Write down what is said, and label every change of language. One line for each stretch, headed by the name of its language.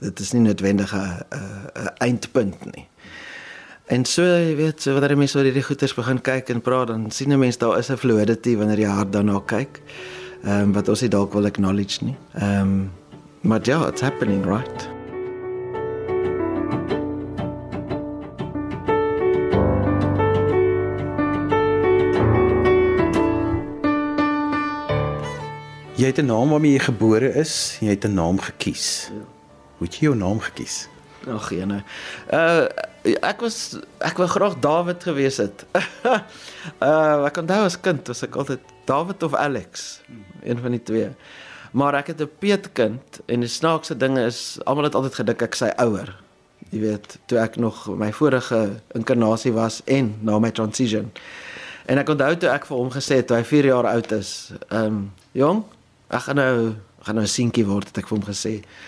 Afrikaans: Dit is nie noodwendig 'n eindpunt nie. En so, jy weet, so wanneer mense oor hierdie goeters begin kyk en praat, dan sien 'n mens daar is 'n fluidity wanneer jy hard daarna kyk, wat ons nie dalk wil acknowledge nie. Maar ja,
English: it's happening, right?
Afrikaans: Jy het 'n naam waarmee jy gebore is, jy het 'n naam gekies. Ja. Hoe het jy jou naam gekies? Ag, ene. Ek wou graag David gewees het. ek onthou as kind was ek altyd David of Alex, een van die twee. Maar ek het 'n peetkind en die snaakse dinge is, almal het altyd gedink ek sy ouer. Jy weet, toe ek nog my vorige inkarnasie was en na my transition. En ek onthou toe ek vir hom gesê het, toe hy 4 jaar oud is, jong, ek gaan nou 'n seentjie word, het ek vir hom gesê.